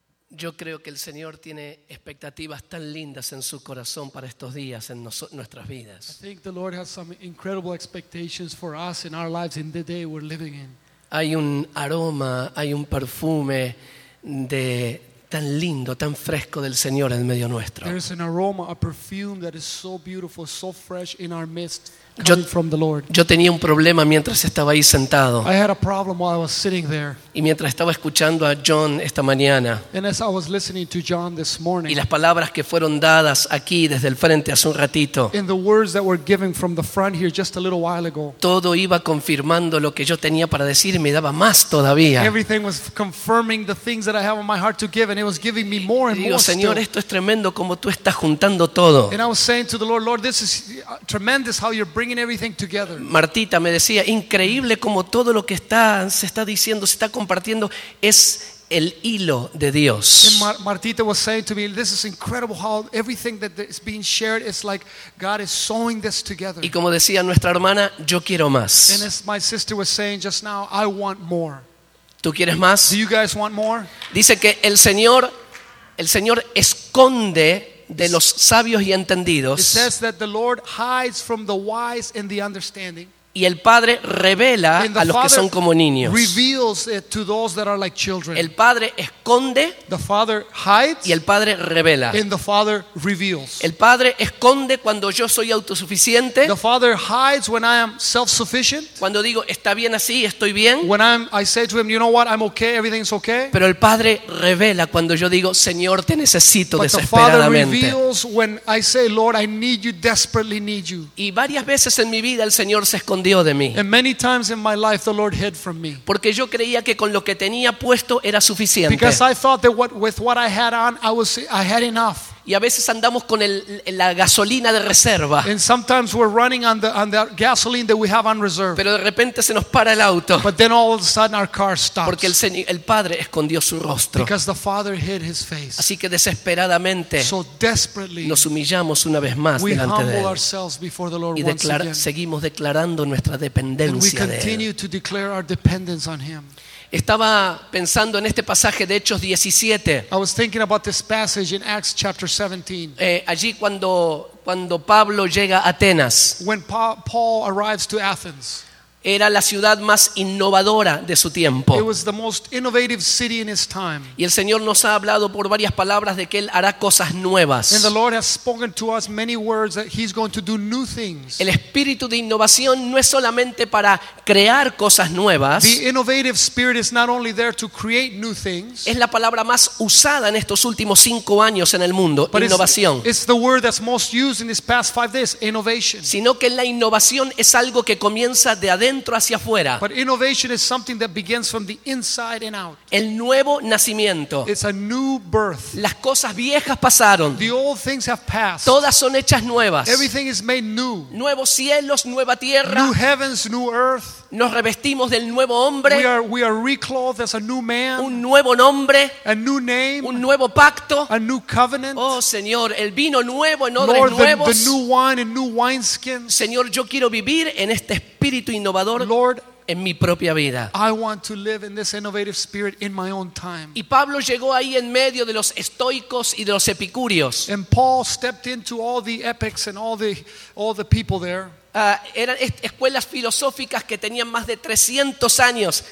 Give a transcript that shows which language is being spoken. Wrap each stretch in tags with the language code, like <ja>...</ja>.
<es>Yo creo que el Señor tiene expectativas tan lindas en su corazón para estos días en nuestras vidas.</es> <en>I think the Lord has some incredible expectations for us in our lives in the day we're living in.</en> <es>Hay un aroma, hay un perfume de tan lindo, tan fresco del Señor en medio nuestro.</es> <en>There's an aroma, a perfume that is so beautiful, so fresh in our midst, coming from the Lord.</en> <es>Yo tenía un problema mientras estaba ahí sentado.</es> <en>I had a problem while I was sitting there.</en> <es>Y mientras estaba escuchando a John esta mañana.</es> <en>And as I was listening to John this morning.</en> <es>Y las palabras que fueron dadas aquí desde el frente hace un ratito.</es> <en>And the words that were given from the front here just a little while ago.</en> <es>Todo iba confirmando lo que yo tenía para decir y me daba más todavía.</es> <en>Everything was confirming the things that I have on my heart to give, and it was giving me more and more.</en> <es>Digo, Señor, esto es tremendo como tú estás juntando todo.</es> <en>And I was saying to the Lord, Lord, this is tremendous how you're bringing everything together.</en> <es>Martita me decía, increíble como todo lo que está se está diciendo, se está compartiendo es el hilo de Dios.</es> <en>Martita was saying to me, this is incredible how everything that is being shared is like God is sewing this together.</en> <es>Y como decía nuestra hermana, yo quiero más.</es> <en>And as my sister was saying just now, I want more.</en> <es>¿Tú quieres más?</es> <en>Do you guys want more?</en> <es>Dice que el Señor esconde de los sabios y entendidos.</es> <en>It says that the Lord hides from the wise and the understanding.</en> <es>Y el Padre revela a los que son como niños.</es> <en>Reveals it to those that are like children.</en> <es>El Padre esconde.</es> <en>The Father hides.</en> <es>Y el Padre revela.</es> <en>And the Father reveals.</en> <es>El Padre esconde cuando yo soy autosuficiente.</es> <en>The Father hides when I am self-sufficient.</en> <es>Cuando digo, está bien así, estoy bien.</es> <en>When I say to him, you know what, I'm okay, everything's okay.</en> <es>Pero el Padre revela cuando yo digo, Señor, te necesito desesperadamente.</es> <en>The Father reveals when I say, Lord, I need you, desperately need you.</en> <es>Y varias veces en mi vida el Señor se esconde.</es> <en>And many times in my life, the Lord hid from me.</en> <es>Porque yo creía que con lo que tenía puesto era suficiente.</es> <en>Because I thought that with what I had on, I had enough.</en> <es>Y a veces andamos con la gasolina de reserva.</es> <en>And sometimes we're running on the gasoline that we have on reserve.</en> <es>Pero de repente se nos para el auto.</es> <en>But then all of a sudden our car stops.</en> <es>Porque el Padre escondió su rostro.</es> <en>Because the Father hid his face.</en> <es>Así que desesperadamente,</es> <en>so desperately,</en> <es>nos humillamos una vez más delante de él.</es> <en>We humble ourselves before the Lord</en> <es>y</es> <en>once again.</en> <es>Seguimos declarando nuestra dependencia de él.</es> <en>And we continue to declare our dependence on him.</en> <es>Estaba pensando en este pasaje de Hechos 17.</es> <en>I was thinking about this passage in Acts chapter 17.</en> <es>Allí cuando Pablo llega a Atenas.</es> <en>When Paul arrives to Athens.</en> <es>Era la ciudad más innovadora de su tiempo.</es> <en>It was the most innovative city in his time.</en> <es>Y el Señor nos ha hablado por varias palabras de que Él hará cosas nuevas.</es> <en>And the Lord has spoken to us many words that He's going to do new things.</en> <es>El espíritu de innovación no es solamente para crear cosas nuevas.</es> <en>The innovative spirit is not only there to create new things.</en> <es>Es la palabra más usada en estos últimos 5 años en el mundo,</es> <en>but</en> <es>innovación.</es> <en>It's the word that's most used in these past 5 days, innovation.</en> <es>Sino que la innovación es algo que comienza de adentro. Dentro hacia afuera.</es> <en>But innovation is something that begins from the inside and out.</en> <es>El nuevo nacimiento.</es> <en>It's a new birth.</en> <es>Las cosas viejas pasaron.</es> <en>The old things have passed.</en> <es>Todas son hechas nuevas.</es> <en>Everything is made new.</en> <es>Nuevos cielos, nueva tierra.</es> <en>New heavens, new earth.</en> <es>Nos revestimos del nuevo hombre.</es> <en>We are reclothed as a new man.</en> <es>Un nuevo nombre.</es> <en>A new name.</en> <es>Un nuevo pacto.</es> <en>A new covenant.</en> <es>Oh, Señor, el vino nuevo en odres nuevos.</es> <en>The new wine and new wineskins.</en> <es>Señor, yo quiero vivir en este espíritu innovador.</es> <en>Lord,</en> <es>en mi propia vida.</es> <en>I want to live in this innovative spirit in my own time.</en> <es>Y Pablo llegó ahí en medio de los estoicos y de los epicúreos.</es> <en>And Paul stepped into all the epics and all the people there.</en> <es>Eran escuelas filosóficas que tenían más de 300 años.</es>